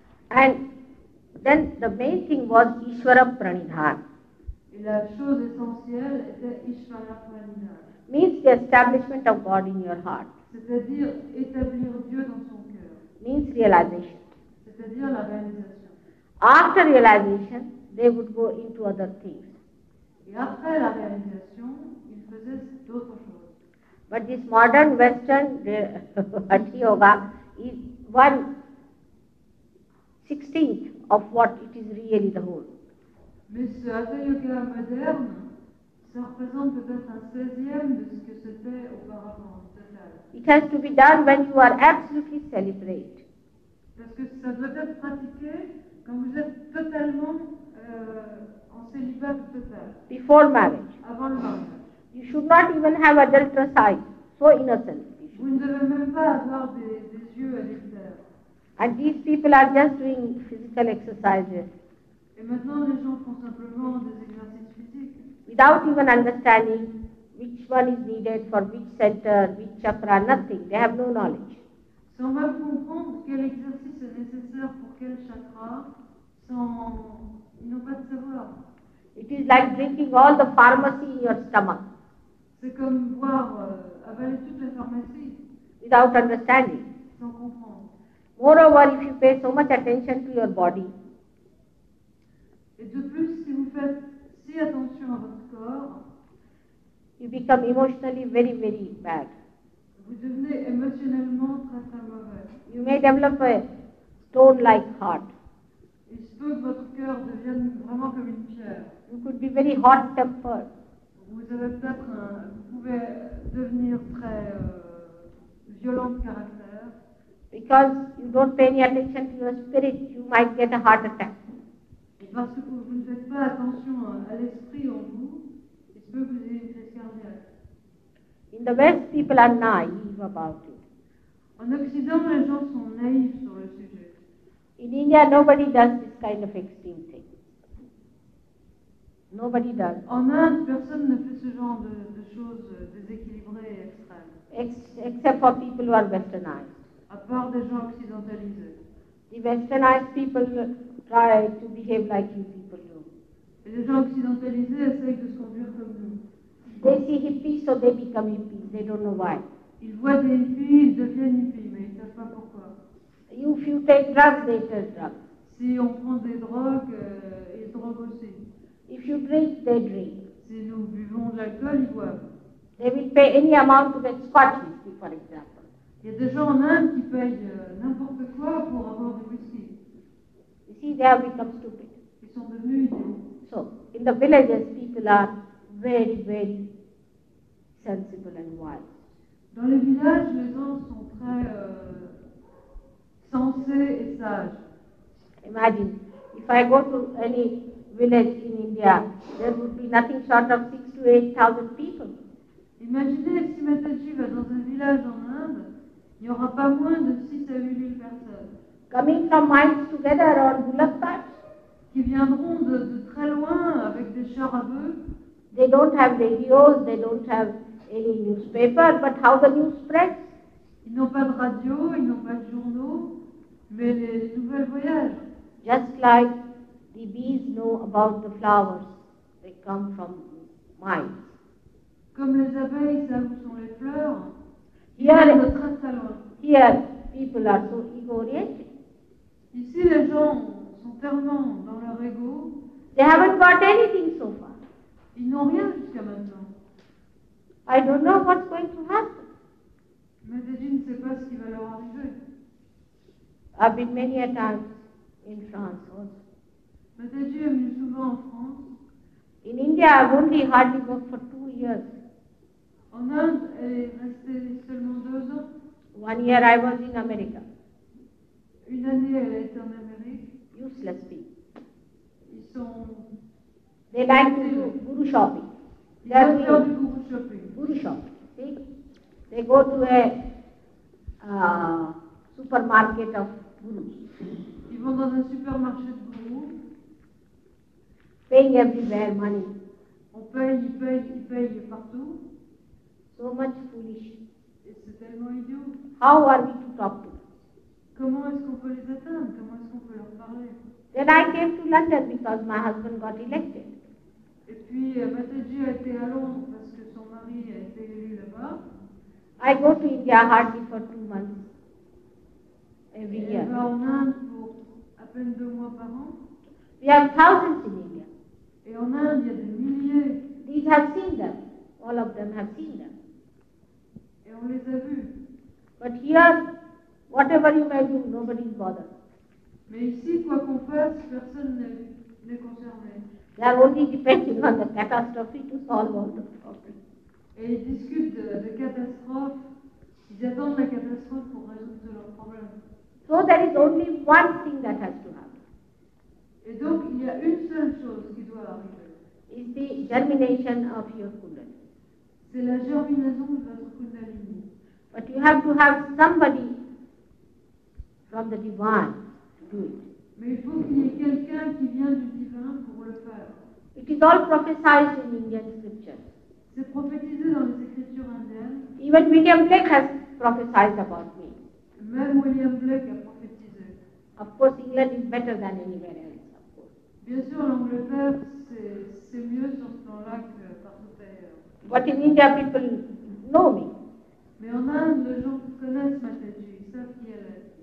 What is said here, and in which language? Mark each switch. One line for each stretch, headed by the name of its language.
English: And then the main thing was Ishvara Pranidhan.
French: Et la chose essentielle était Ishvara Pranidhan.
English: Means the establishment of God in your heart.
French: C'est-à-dire établir Dieu dans son cœur.
English: Means realization.
French: C'est-à-dire la réalisation.
English: After realization, they would go into other things.
French: Et après la réalisation, ils faisaient d'autres choses.
English: But this modern Western Hatha Yoga is one 16th of what it is really the whole.
French: Mais ce Hatha Yoga moderne, ça représente peut-être un 16e de ce que c'était auparavant, total.
English: It has to be done when you are absolutely celebrate.
French: Parce que ça doit être pratiqué quand vous êtes totalement en célibat total.
English: Before marriage.
French: Avant le mariage.
English: You should not even have adulterous sight, so innocent.
French: Vous ne devez même pas avoir des yeux à l'extérieur.
English: And these people are just doing physical exercises.
French: Et maintenant les gens font simplement des exercices physiques.
English: Without even understanding which one is needed for which center, which chakra, nothing. They have no knowledge.
French: Sans même comprendre quel exercice est nécessaire pour quel chakra, ils n'ont pas de savoir.
English: It is like drinking all the pharmacy in your stomach.
French: C'est comme boire, avaler toute la pharmacie.
English: Without understanding.
French: Sans comprendre.
English: Moreover, if you pay so much attention to your body,
French: et de plus, si vous faites si attention à votre corps,
English: you become emotionally very, very bad.
French: Vous devenez émotionnellement très, très mauvais.
English: You may develop a stone-like heart.
French: Il se peut que votre cœur devienne vraiment comme une pierre.
English: You could be very hot-tempered.
French: Vous pouvez devenir très violent de caractère.
English: Because you don't pay any attention to your spirit, you might get a heart attack.
French: Et parce que vous ne faites pas attention à l'esprit en vous, il se peut que vous ayez une crise cardiaque.
English: In the West, people are naive about it.
French: En Occident, les gens sont naïfs sur le sujet.
English: In India, nobody does this kind of extreme thing. Nobody does.
French: En Inde, personne ne fait ce genre de choses déséquilibrées et extrêmes.
English: Except for people who are Westernized.
French: À part des gens occidentalisés.
English: The westernized people try to behave like you people do.
French: Et les gens occidentalisés essayent de se conduire comme nous.
English: They see hippies, so they become hippies. They don't know why.
French: Ils voient des hippies, ils deviennent hippies, mais ils ne savent pas pourquoi.
English: If you take drugs, they take drugs.
French: Si on prend des drogues, ils droguent aussi.
English: If you drink, they drink.
French: Si nous buvons de l'alcool, ils boivent.
English: They will pay any amount to get scotch whisky, for example.
French: Il y a des gens en Inde qui payent n'importe quoi pour avoir du whisky.
English: You see, they have become stupid.
French: Ils sont devenus idiots.
English: So, in the villages, people are very, very sensible and wise.
French: Dans les villages, les gens sont très sensés et sages.
English: Imagine, if I go to any village in India, there would be nothing short of 6,000 to 8,000 people.
French: Imaginez si Mataji va dans un village en Inde, il n'y aura pas moins de 6 à 8 000 personnes.
English: Coming from miles together on bullock carts,
French: qui viendront de très loin avec des chars à bœufs.
English: They don't have radios, they don't have any newspaper, but how the news spreads?
French: Ils n'ont pas de radio, ils n'ont pas de journaux, mais les nouvelles voyagent.
English: Just like the bees know about the flowers, they come from mines.
French: Comme les abeilles savent où sont les fleurs, ils viennent de très très loin.
English: Here, people are so ego-oriented.
French: Ici, les gens sont tellement dans leur ego.
English: They haven't got anything so far.
French: Ils n'ont rien jusqu'à maintenant.
English: I don't know what's going to happen.
French: Mataji ne sait pas ce qui va leur arriver.
English: I've been many a time in France also.
French: Mataji est venu souvent en France.
English: In India, I've only hardly worked for 2 years.
French: En Inde, elle est restée seulement 2 ans.
English: 1 year I was in America.
French: Une année, elle a été en Amérique.
English: Useless people.
French: Ils sont...
English: They like to do guru shopping. Guru shopping. They go to a supermarket of gurus.
French: Ils vont dans un supermarché de gurus.
English: Paying everywhere money.
French: On paye, ils payent, ils payent partout.
English: So much foolish.
French: Et c'est tellement idiot.
English: How are we to talk to them?
French: Comment est-ce qu'on peut les atteindre? Comment est-ce qu'on peut leur parler?
English: Then I came to London because my husband got elected.
French: Et puis Mataji a été à Londres parce que son mari a été élu là-bas.
English: I go to India hardly for 2 months every year.
French: Elle va en Inde pour à peine 2 mois par an.
English: We have thousands in India.
French: Et en Inde, il y a des milliers.
English: These have seen them. All of them have seen them.
French: Et on les a vus.
English: But here, whatever you may do, nobody is bothered.
French: Mais ici, quoi qu'on fasse, personne n'est concerné.
English: They are only depending on the catastrophe to solve all the problems.
French: Et ils discutent de catastrophe. Ils attendent la catastrophe pour résoudre leurs problèmes.
English: So there is only one thing that has to happen.
French: Et donc il y a une seule chose qui doit arriver.
English: Is the germination of your kundalini.
French: C'est la germination de votre kundalini.
English: But you have to have somebody from the divine to do it.
French: Mais il faut qu'il y ait quelqu'un qui vient du divin pour le faire.
English: It is all prophesied in Indian scriptures.
French: C'est prophétisé dans les écritures indiennes.
English: Even William Blake has prophesied about me.
French: Même William Blake a prophétisé.
English: Of course, England is better than anywhere else, of course.
French: Bien sûr, l'Angleterre, c'est mieux sur ce plan-là que partout ailleurs.
English: But in India, people know me.
French: Mais en Inde, les gens connaissent Mataji, ils savent qui elle est.